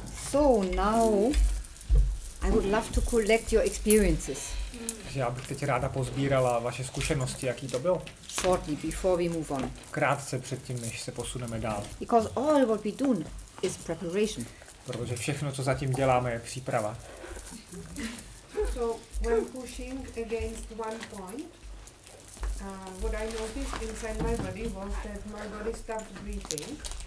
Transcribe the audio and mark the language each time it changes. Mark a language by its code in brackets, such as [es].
[en] So now I would love to collect your experiences. [cs] Já bych teď ráda pozbírala vaše zkušenosti, jaký to byl. [en] Shortly before we move on. [cs] Krátce předtím, než se posuneme dál. [en] Because all what we do is preparation. [cs] Protože všechno, co zatím děláme, je příprava. [en] So when pushing against one point, what I noticed inside my body was that my body stopped breathing.